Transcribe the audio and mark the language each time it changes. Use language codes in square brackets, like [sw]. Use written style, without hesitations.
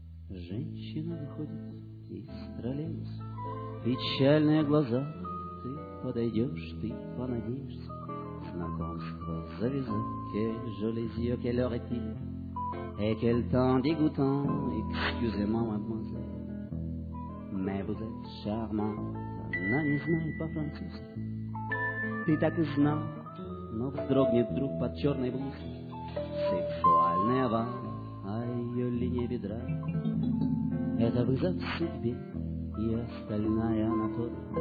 [ru] женщина выходит из троллейбуса. Печальные глаза, ты подойдешь, ты понадеешься. Знакомство завязать, [fr] quel joli yeux, quelle heure est-il? Et quel temps dégoûtant, excusez-moi, mademoiselle. Mais vous êtes charmante, [ru] она не знает по-французски. Ты так и знал, но вздрогнет вдруг под черной блузкой. Сексуальная ваза, а ее линия бедра. Это вызов судьбе, и остальная она тоже.